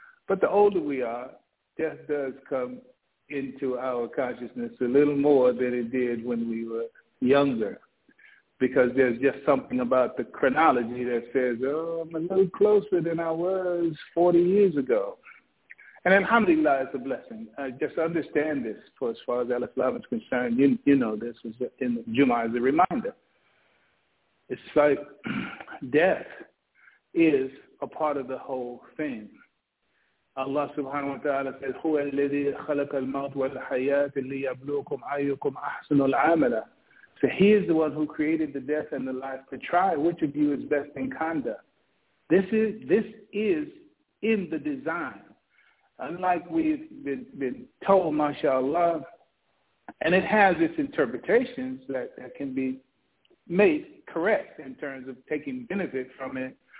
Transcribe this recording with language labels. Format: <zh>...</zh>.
<en>But the older we are, death does come into our consciousness a little more than it did when we were younger, because there's just something about the chronology that says, "Oh, I'm a little closer than I was 40 years ago." And alhamdulillah is a blessing. Just understand this, for as far as al-Islam is concerned, you know this, is in Jum'ah is a reminder. It's like death is a part of the whole thing. Allah subhanahu wa ta'ala says,</en> <ar>هُوَ الَّذِي خَلَقَ الْمَوْتَ وَالْحَيَاةَ لِيَبْلُوكُمْ أَيُّكُمْ أَحْسَنُ الْعَامَلَ.</ar> <en>So he is the one who created the death and the life to try which of you is best in conduct. This is in the design. Unlike we've been told, mashallah, and it has its interpretations that can be made correct in terms of taking benefit from it.</en>